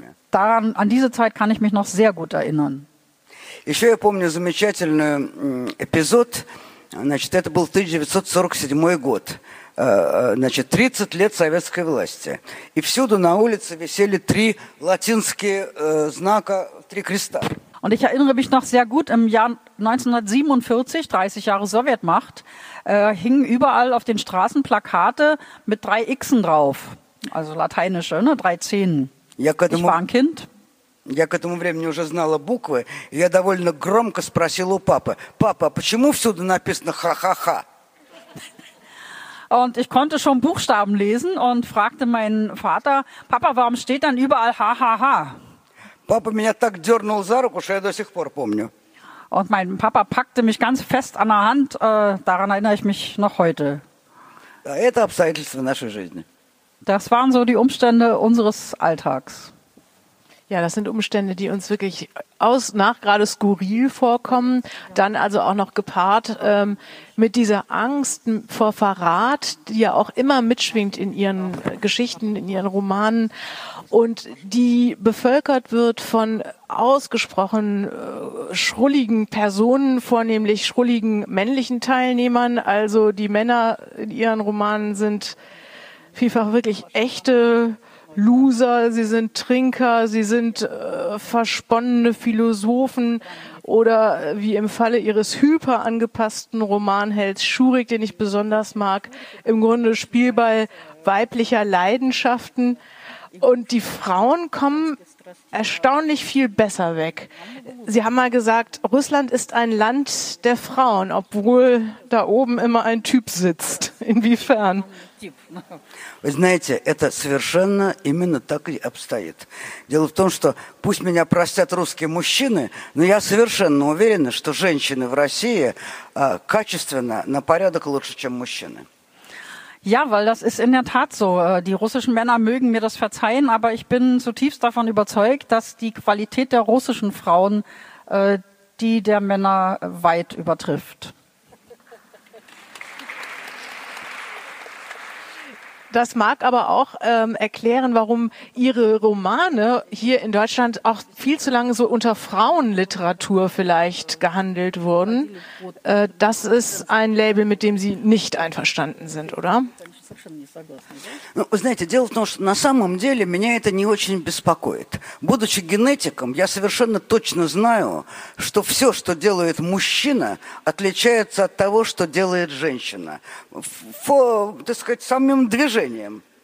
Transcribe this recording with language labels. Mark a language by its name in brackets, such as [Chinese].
[German] Daran, an diese Zeit kann ich mich noch sehr gut erinnern. Ich erinnere mich an einen [Russian] замечательный эпизод. Значит, это был 1947 год, значит, 30 лет советской власти. И всюду на улице висели три латинские знака, три креста. [German] Und ich erinnere mich noch sehr gut, im Jahr 1947, 30 Jahre Sowjetmacht, hingen überall auf den Straßen Plakate mit drei Xen drauf, also lateinische, ne, drei Zehen. Ich war ein Kind. [Russian] Я к этому времени уже знала буквы, и я довольно громко спросила у папы: «Папа, а почему всюду написано ха-ха-ха?» [German] Und ich konnte schon Buchstaben lesen und fragte meinen Vater: «Papa, warum steht dann überall [Russian] ха-ха-ха?» Папа меня так дернул за руку, что я до сих пор помню. [German] Und mein Papa packte mich ganz fest an der Hand, daran erinnere ich mich noch heute. [Russian] Да, это обстоятельства нашей жизни. [German] Das waren so die Umstände unseres Alltags. Ja, das sind Umstände, die uns wirklich aus nach gerade skurril vorkommen. Dann also auch noch gepaart mit dieser Angst vor Verrat, die ja auch immer mitschwingt in ihren Geschichten, in ihren Romanen und die bevölkert wird von ausgesprochen schrulligen Personen, vornehmlich schrulligen männlichen Teilnehmern. Also die Männer in ihren Romanen sind vielfach wirklich echte Loser, sie sind Trinker, sie sind versponnene Philosophen oder wie im Falle ihres hyperangepassten Romanhelds Schurik, den ich besonders mag, im Grunde Spielball weiblicher Leidenschaften. Und die Frauen kommen erstaunlich viel besser weg. Sie haben mal gesagt, Russland ist ein Land der Frauen, obwohl da oben immer ein Typ sitzt. Inwiefern? [Russian] Вы знаете, это совершенно именно так и обстоит. Дело в том, что пусть меня простят русские мужчины, но я совершенно уверен, что женщины в России качественно на порядок лучше, чем мужчины. [German] Ja, weil das ist in der Tat so. Die russischen Männer mögen mir das verzeihen, aber ich bin zutiefst davon überzeugt, dass die Qualität der russischen Frauen die der Männer weit übertrifft. Das mag aber auch erklären, warum Ihre Romane hier in Deutschland auch viel zu lange so unter Frauenliteratur vielleicht gehandelt wurden. Das ist ein Label, mit dem Sie nicht einverstanden sind, oder? [Russian] Ну, знаете, дело в том, что на самом деле меня это не очень беспокоит. Будучи генетиком, я совершенно точно знаю, что все, что делает мужчина, отличается от того, что делает женщина. Так сказать, самим движением.